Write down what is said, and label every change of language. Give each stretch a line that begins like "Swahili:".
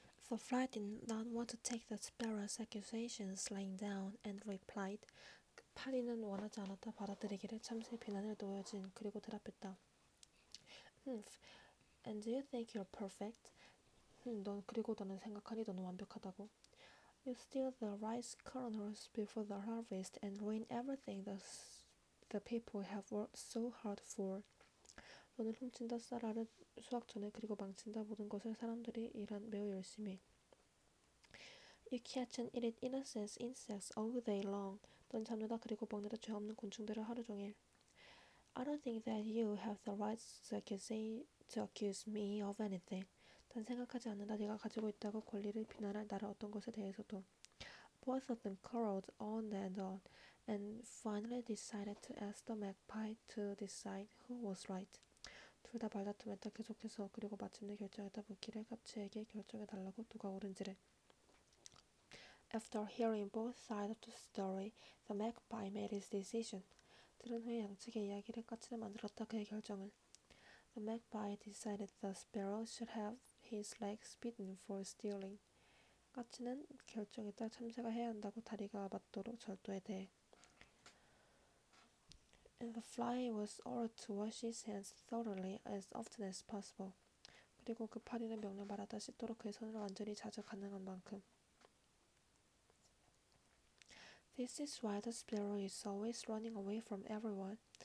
English: The fly did not want to take the sparrow's accusations lying down and replied.
Korean: 파리는 원하지 않았다. 받아들이기를 참새 비난을 놓여진 그리고 대답했다.
English: And do you think you're perfect?
Korean: 넌 그리고 너는 생각하니 너는 완벽하다고?
English: You steal the rice kernels before the harvest and ruin everything the people have worked so hard for.
Korean: 너는 훔친다 쌀알을 수확 전에 그리고 망친다 모든 것을 사람들이 일한 매우 열심히.
English: You catch and eat innocent insects all day long.
Korean: 넌 잡는다 그리고 먹는다 죄 없는 곤충들을 하루 종일.
English: I don't think that you have the right to accuse me of anything.
Korean: 난 생각하지 않는다 네가 가지고 있다고 권리를 비난할 나를 어떤 것에 대해서도.
English: Both of them quarreled on and on and finally decided to ask the magpie to decide who was right.
Korean: 둘 다 말다툼했다 계속해서 그리고 마침내 결정했다 묻기를 갑치에게 결정해달라고 누가 옳은지를.
English: After hearing both sides of the story, the magpie made his decision.
Korean: 들은 후에 양측의 이야기를 까치를 만들었다 그의 결정은.
English: The magpie decided the sparrow should have his legs bitten for stealing.
Korean: 까치는 결정했다 참새가 해야 한다고 다리가 맞도록 절도에 대해.
English: And the fly was ordered to wash his hands thoroughly as often as possible.
Korean: 그리고 그 파리는 명령 받았다 씻도록 그의 손을 완전히 자주 가능한 만큼.
English: This is why the sparrow is always running away from everyone.